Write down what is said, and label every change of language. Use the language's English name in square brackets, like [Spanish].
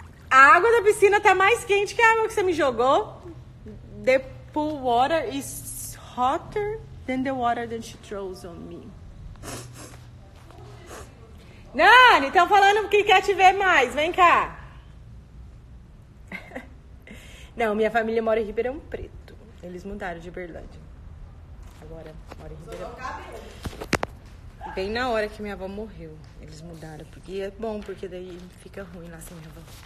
[Portuguese] A água da piscina tá mais quente que a água que você me jogou. [English] The pool water is hotter than the water that she throws on me. [Portuguese] Nani, estão falando que quer te ver mais. Vem cá. Não, minha família mora em Ribeirão Preto. Eles mudaram de Uberlândia. Agora mora em Ribeirão. Bem na hora que minha avó morreu, eles mudaram. Porque é bom, porque daí fica ruim lá sem minha avó.